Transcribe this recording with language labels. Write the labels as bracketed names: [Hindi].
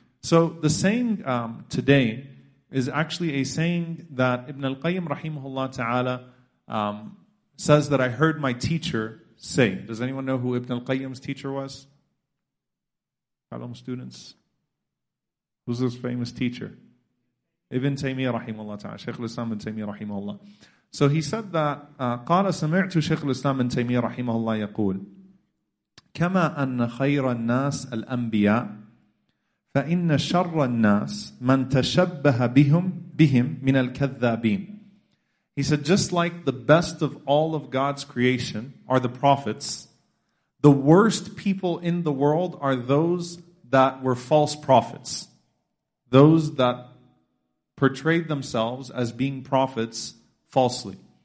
[English] So the saying today is actually a saying that Ibn al-Qayyim rahimahullah ta'ala says that I heard my teacher say. Does anyone know who Ibn al-Qayyim's teacher was? Kalam students? Who's his famous teacher? Ibn Taymiyyah rahimahullah ta'ala. Shaykh al-Islam ibn Taymiyyah rahimahullah. So he said that, [Arabic] قَالَ سَمِعْتُ شَيْخُ الْإِسْلَامِ ابْنُ تَيْمِيَّةَ رَحِمَهُ اللَّهُ يَقُولُ كَمَا أَنَّ خَيْرَ النَّاسِ الْأَنْبِيَاءِ فَإِنَّ شَرَّ النَّاسِ مَنْ تَشَبَّهَ بِهِمْ مِنَ الْكَذَّابِينَ. [English] He said, just like the best of all of God's creation are the prophets, the worst people in the world are those that were false prophets, those that portrayed themselves as being prophets falsely.